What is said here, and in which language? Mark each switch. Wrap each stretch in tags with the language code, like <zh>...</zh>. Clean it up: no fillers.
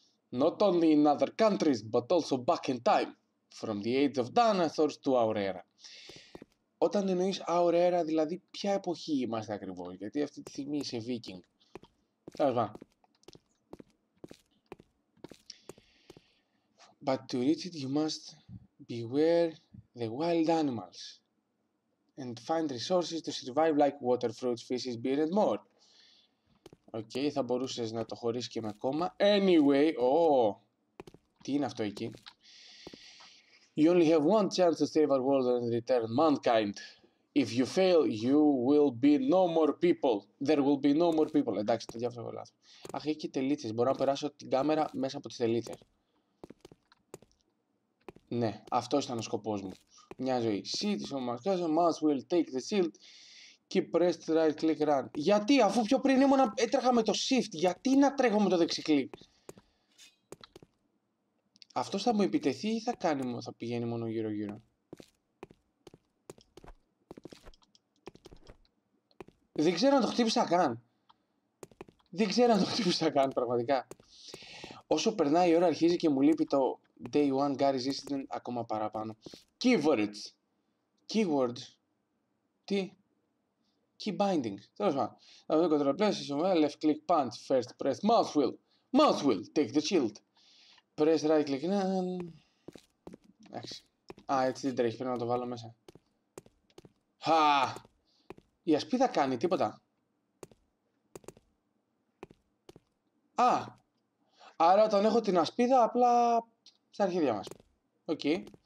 <en>Not only in other countries, but also back in time. From the age of dinosaurs to our era.</en> <el>Όταν εννοείς</el> <en>our era,</en> <el>δηλαδή ποια εποχή είμαστε ακριβώς. Γιατί αυτή τη στιγμή είσαι Viking. Τέλος πάντων.</el> <en>But to reach it, you must beware the wild animals and find resources to survive like water, fruits, fishes, beer and more.</en> <el>Okay, θα μπορούσες να το χωρίσεις και με κόμμα. Anyway, oh, τι είναι αυτό εκεί?</el> <en>You only have one chance to save our world and return mankind. If you fail, you will be no more people. There will be no more people.</en> <el>Εντάξει, το διάφορο λάθος. Αχ, έχει και τελίτσες. Μπορώ να περάσω την κάμερα μέσα από τις τελίτσες. Ναι, αυτό ήταν ο σκοπός μου. Μια ζωή.</el> <en>See this on my cousin, must will take the shield. Keep pressed right click run.</en> <el>Γιατί, αφού πιο πριν ήμουν, έτρεχα με το shift, γιατί να τρέχω με το δεξί κλικ? Αυτός θα μου επιτεθεί ή θα κάνει, θα πηγαίνει μόνο γύρω γύρω? Δεν ξέρω αν το χτύπησα καν. Δεν ξέρω αν το χτύπησα καν, πραγματικά. Όσο περνάει η ώρα αρχίζει και μου λείπει το Day 1 Garry's Incident ακόμα παραπάνω.</el> <en>Keywords. Keywords. Τι? Key bindings.</en> <el>Τέλος πάντων. Θα δω κοντροπλές, ισομένα,</el> <en>left click punch, first press mouse wheel. Mouse wheel, take the shield. Press right click, ναι.</en> <el>Εντάξει. Α, έτσι δεν τρέχει, πρέπει να το βάλω μέσα. Χα! Η ασπίδα κάνει τίποτα. Α! Άρα όταν έχω την ασπίδα, απλά στα αρχίδια μας. Οκ. Okay.</el>